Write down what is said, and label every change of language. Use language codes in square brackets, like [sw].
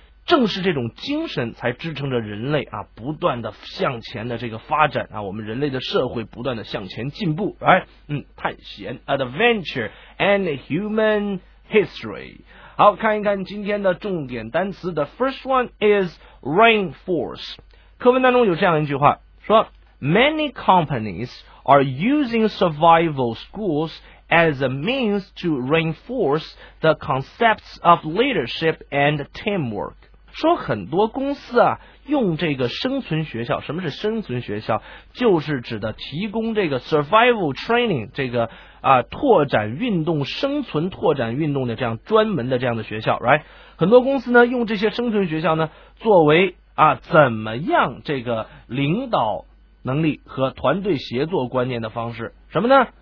[zh] 正是这种精神才支撑着人类啊不断的向前的这个发展啊，我们人类的社会不断的向前进步。 [en] 探险 adventure and human history。 [zh] 好，看一看今天的重点单词。 [en] The first one is rainforest。 [zh] 课文当中有这样一句话说。 [en] Many companies are using survival schools as a means to reinforce the concepts of leadership and teamwork. [zh] 说很多公司啊，用这个生存学校，什么是生存学校？就是指的提供这个 [en] survival training, [zh] 这个啊拓展运动，生存拓展运动的这样专门的这样的学校， [en] right? [zh] 很多公司呢，用这些生存学校呢，作为啊怎么样这个领导能力和团队协作观念的方式，什么呢？